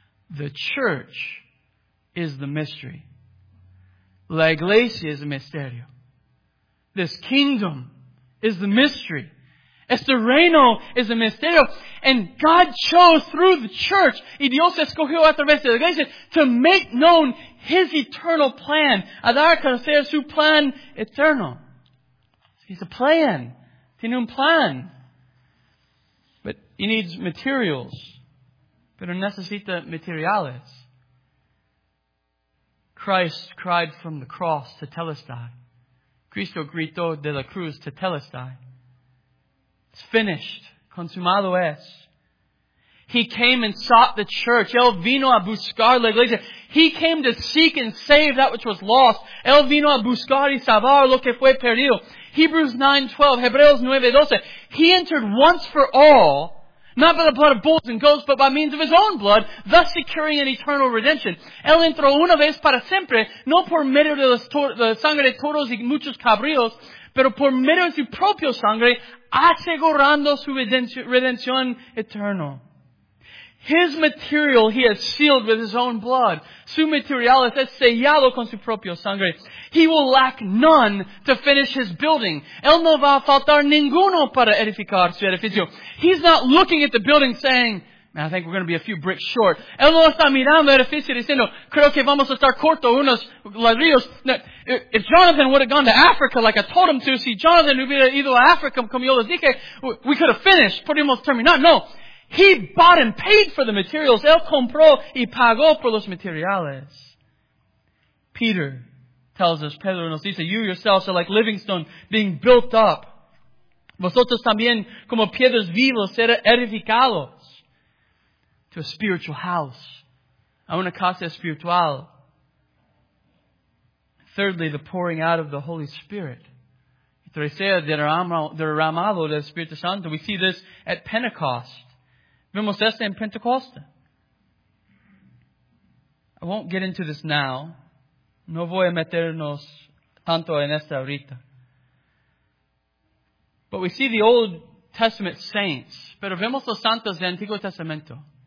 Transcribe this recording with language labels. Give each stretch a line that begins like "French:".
English: The church is the mystery.
Spanish: La iglesia es el misterio.
English: This kingdom is the mystery.
Spanish: Este reino es el misterio.
English: And God chose through the church,
Spanish: y Dios escogió a través de la iglesia,
English: to make known his eternal plan.
Spanish: A dar a conocer su plan eterno.
English: He's a plan.
Spanish: Tiene un plan.
English: But he needs materials.
Spanish: pero necesita materiales.
English: Christ cried from the cross, tetelestai.
Spanish: Cristo gritó de la cruz, tetelestai.
English: It's finished.
Spanish: Consumado es.
English: He came and sought the church.
Spanish: Él vino a buscar la iglesia.
English: He came to seek and save that which was lost.
Spanish: Él vino a buscar y salvar lo que fue perdido.
English: Hebrews 9:12,
Spanish: Hebreos 9:12.
English: He entered once for all, not by the blood of bulls and goats, but by means of his own blood, thus securing an eternal redemption.
Spanish: Él entró una vez para siempre, no por medio de la sangre de toros y muchos cabríos, pero por medio de su propio sangre, asegurando su redención eterna.
English: His material he has sealed with his own blood.
Spanish: Su material es sellado con su propio sangre.
English: He will lack none to finish his building.
Spanish: Él no va a faltar ninguno para edificar su edificio.
English: He's not looking at the building saying, man, I think we're going to be a few bricks short.
Spanish: Él no está mirando el edificio diciendo, creo que vamos a estar corto unos ladrillos. No.
English: If Jonathan would have gone to Africa like I told him to,
Spanish: si Jonathan hubiera ido a Africa como yo les dije,
English: we could have finished.
Spanish: Podríamos terminar. No.
English: He bought and paid for the materials.
Spanish: Él compró y pagó por los materiales.
English: Peter tells us,
Spanish: Pedro nos dice,
English: you yourselves are like living stone being built up.
Spanish: Vosotros también como piedras vivas ser edificados
English: to a spiritual house,
Spanish: a una casa espiritual.
English: Thirdly, the pouring out of the Holy Spirit.
Spanish: Tercera, derramado del Espíritu Santo.
English: We see this at Pentecost.
Spanish: Vemos esto en Pentecostés.
English: I won't get into this now.
Spanish: No voy a meternos tanto en esta ahorita.
English: But we see the Old Testament saints.
Spanish: Pero vemos los santos del Antiguo Testamento.